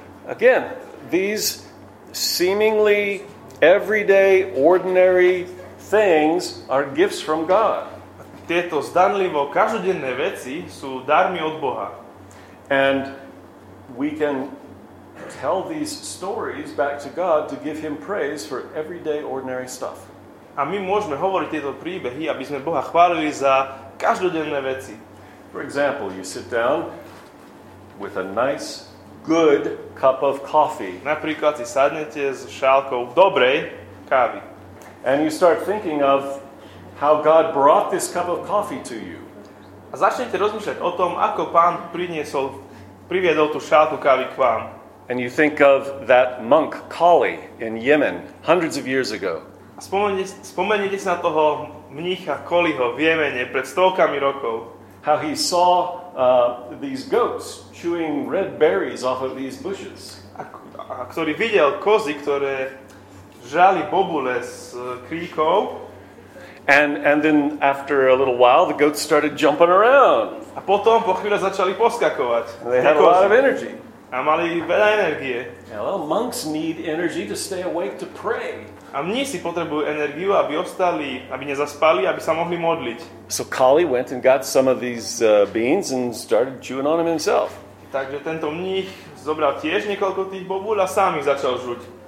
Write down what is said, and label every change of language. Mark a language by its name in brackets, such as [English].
[English] Again, these seemingly everyday ordinary things are gifts from God. [Slovak] Tieto zdanlivo každodenné veci sú darmi od Boha. [English] And we can tell these stories back to God to give him praise for everyday ordinary stuff. [Slovak] A my môžeme hovoriť tieto príbehy, aby sme Boha chválili za každodenné veci. [English] For example, you sit down with a nice good cup of coffee. [Slovak] Napríklad si sadnete s šálkou dobrej kávy. [English] And you start thinking of how God brought this cup of coffee to you. [Slovak] A začnete rozmýšľať o tom, ako Pán priniesol, priviedol tú šálku kávy k vám. [English] And you think of that monk Kali in Yemen hundreds of years ago. [Slovak] Spomeniete sa na toho mnícha Kaliho v Jemene pred stovkami rokov. [English] How he saw these goats chewing red berries off of these bushes. [Slovak] A ktorý videl kozy, ktoré žrali bobule z kríkov. [English] And then after a little while the goats started jumping around. [Slovak] A potom po chvíli začali poskakovať. [English] They had a lot of energy. [Slovak] A mali veľa energie. [English] Yeah, well, monks need energy to stay awake to pray. [Slovak] A mnísi potrebujú energiu, aby ostali, aby nezaspali, aby sa mohli modliť. [English] So Kali went and got some of these beans and started chewing on them himself. [Slovak] Takže tento mních zobral tiež niekoľko tých bobúľ a sám ich začal žuť.